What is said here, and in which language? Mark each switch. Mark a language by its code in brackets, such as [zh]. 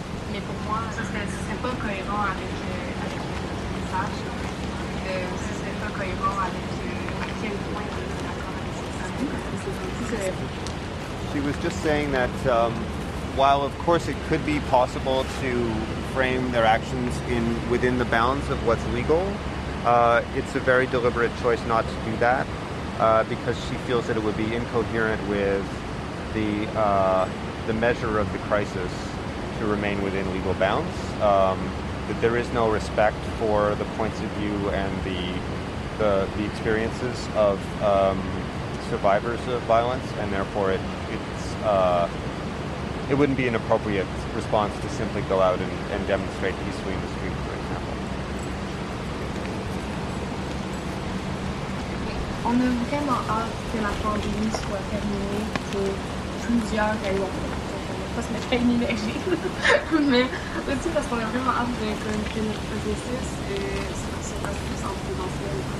[fr] Mais pour moi, ça serait pas cohérent avec le message. Ça serait pas cohérent avec à quel point [en] She was just saying that while, of course, it could be possible to frame their actions within the bounds of what's legal, it's a very deliberate choice not to do that because she feels that it would be incoherent with the measure of the crisis to remain within legal bounds, that there is no respect for the points of view and the the experiences of survivors of violence, and therefore it wouldn't be an appropriate response to simply go out and demonstrate peacefully in the street, for example. [fr] On a vraiment hâte que la pandémie soit terminée pour plusieurs raisons. Pas se mettre à imaginer, mais aussi parce qu'on a vraiment hâte de connaître le processus et se passer plus en présentiel.